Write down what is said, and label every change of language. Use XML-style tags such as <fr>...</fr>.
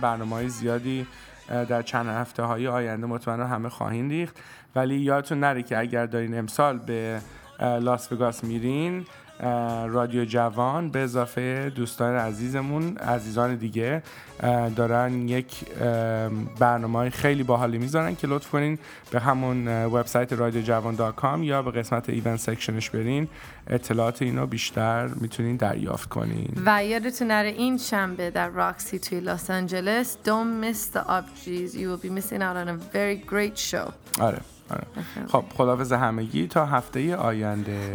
<fa>برنامه های زیادی در چند هفته های آینده مطمئن همه خواهیم ریخت، ولی یادتون نره که اگر دارین امسال به لاس وگاس میرین، رادیو جوان به اضافه دوستان عزیزمون عزیزان دیگه دارن یک برنامه های خیلی باحالی میذارن که لطف کنین به همون وبسایت radiojavan.com یا به قسمت ایونت سکشنش برین، اطلاعات اینو بیشتر میتونین دریافت کنین. و یادتون نره این شنبه در راکسی توی لس آنجلس،</fa> <en>don't miss the Upjis. You will be missing out on a very great show.</en> <fa>آره آره. خب خداحافظ همگی تا هفته آینده.</fa>